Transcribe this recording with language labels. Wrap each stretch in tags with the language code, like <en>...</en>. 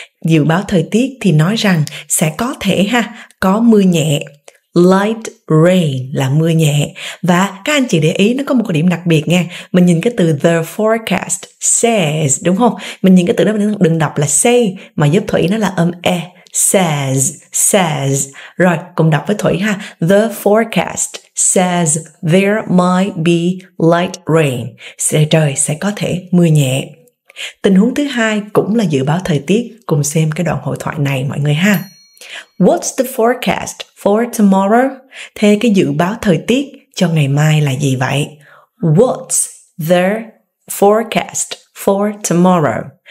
<vi>Dự báo thời tiết thì nói rằng sẽ có thể ha, có mưa nhẹ. Light rain là mưa nhẹ. Và các anh chị để ý nó có một cái điểm đặc biệt nha. Mình nhìn cái từ</vi> <en>the forecast says,</en> <vi>đúng không? Mình nhìn cái từ đó mình đừng đọc là say, mà giúp Thủy nó là âm e. Says, says. Rồi, cùng đọc với Thủy ha.</vi> <en>The forecast says there might be light rain.</en> <vi>Trời sẽ có thể mưa nhẹ. Tình huống thứ hai cũng là dự báo thời tiết. Cùng xem cái đoạn hội thoại này mọi người ha.</vi> <en>What's the forecast for tomorrow?</en> <vi>Thế cái dự báo thời tiết cho ngày mai là gì vậy?</vi> <en>What's the forecast for tomorrow?</en>